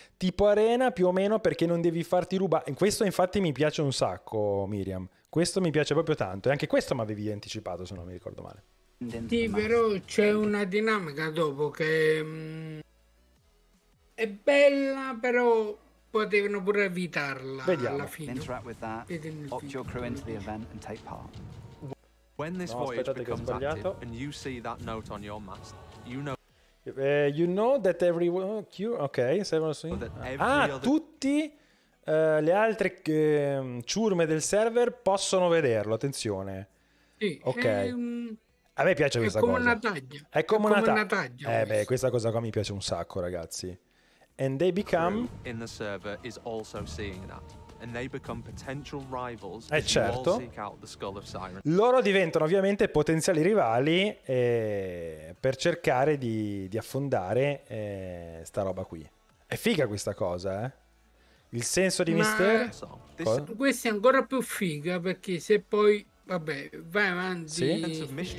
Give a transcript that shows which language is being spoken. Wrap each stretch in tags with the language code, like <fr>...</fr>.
<it>Tipo arena più o meno, perché non devi farti rubare. Questo infatti mi piace un sacco, Miriam. Questo mi piace proprio tanto. E anche questo mi avevi anticipato, se non mi ricordo male. Sì, però c'è una dinamica dopo che è bella, però potevano pure evitarla. Vediamo. Alla fine.</it> <en>Interact with that. Opt your crew into the event and take part. When this voyage becomes active and you see that note on your mast, you know. You know that everyone. Okay, server.</en> <it>Tutti le altre ciurme del server possono vederlo. Attenzione. Sì. Ok. A me piace questa cosa. È come una taglia. Beh, questa cosa qua mi piace un sacco, ragazzi.</it> <en>And they become in the server is also seeing that and they become potential rivals.</en> <it>È certo.</it> <en>Seek out the Skull of Siren.</en> <it>Loro diventano ovviamente potenziali rivali per cercare di affondare sta roba qui. È figa questa cosa, eh? Il senso di mistero. Questa è ancora più figa perché se poi vabbè, vai avanti, sì?</it>